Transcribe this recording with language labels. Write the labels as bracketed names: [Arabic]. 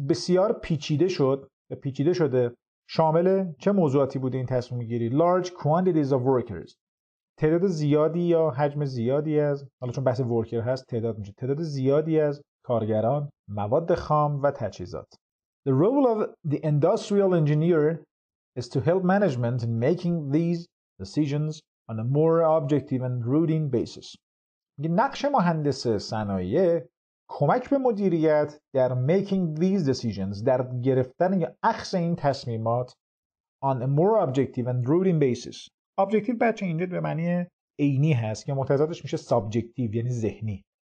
[Persian] بسیار پیچیده شد. پیچیده شده. شامل چه موضوعاتی بوده این تصمیم گیری؟ [English] Large quantities of workers. [Persian] تعداد زیادی یا حجم زیادی از، حالا چون بحث ورکر هست تعداد میشه، تعداد زیادی از کارگران، مواد خام و تجهیزات. [English] The role of the industrial engineer is to help management in making these decisions on a more objective and routine basis. [Persian] نقش مهندس صنایع کمک به مدیریت در [English] making these decisions، [Persian] در گرفتن یا اخذ این تصمیمات [English] on a more objective and routine basis. [Persian] Objective بچه اینجا به معنی عینی هست که متضادش میشه subjective یعنی ذهنی.